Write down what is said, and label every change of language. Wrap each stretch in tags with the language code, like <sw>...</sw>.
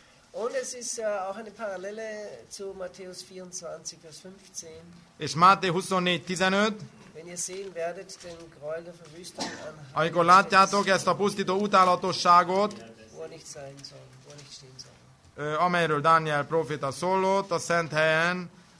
<de>Und es ist auch eine Parallele zu Matthäus 24, Vers 15.</de> <hu>És Máté 24, 15.</hu> <de>Wenn ihr sehen werdet den Gräuel der Verwüstung anhand.</de> <hu>Amikor látjátok ezt a pusztító utálatosságot,</hu> <de>wo er nicht sein soll, wo er nicht stehen soll.</de> <hu>Amelyről Dániel proféta szólott a szent helyen.</hu>